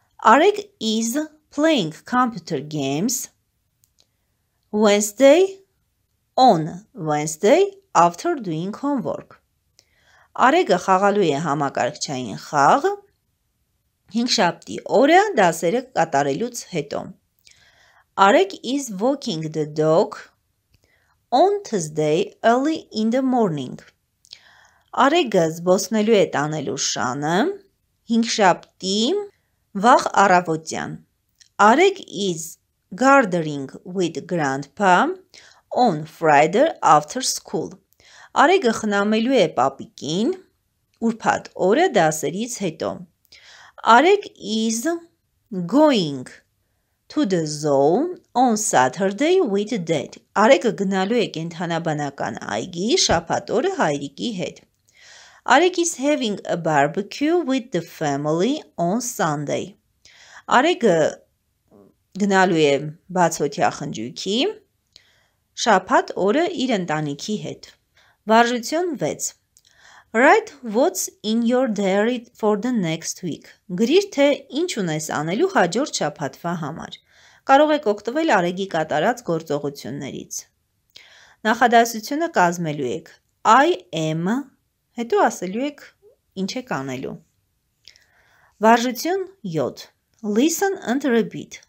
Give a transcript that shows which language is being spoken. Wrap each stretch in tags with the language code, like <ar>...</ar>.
<en>Արեգ is playing computer games Wednesday on Wednesday after doing homework.</en> <hy>Արեգը խաղալու է համակարգչային խաղ 5-7 օրը դասերը կատարելուց հետո.</hy> <en>Արեգ is walking the dog on Thursday early in the morning.</en> <hy>Արեգը զբոսնելու է տանելու շանը 5-7 վաղ առավոտյան.</hy> <en>Արեգ is gardening with grandpa on Friday after school.</en> <hy>Արեգը խնամելու է պապիկին ուրբաթ օրը դասերից հետո.</hy> <en>Արեգ is going to the zoo on Saturday with dad.</en> <hy>Արեգը գնալու է կենդանաբանական այգի շաբաթ օրը հայրիկի հետ.</hy> <en>Արեգ is having a barbecue with the family on Sunday.</en> <hy>Արեգը գնալու է բացօթյա խնջույքի շաբաթ օրը իր ընտանիքի հետ. Վարժություն 6.</hy> <en>Write what's in your diary for the next week.</en> <hy>Գրիր, թե ինչ ունես անելու հաջորդ շաբաթվա համար. Կարող եք օգտվել Արեգի կատարած գործողություններից. Նախադասությունը կազմելու եք.</hy> <en>I am,</en> <hy>հետո ասելու եք ինչ եք անելու. Վարժություն 7.</hy> <en>Listen and repeat.</en>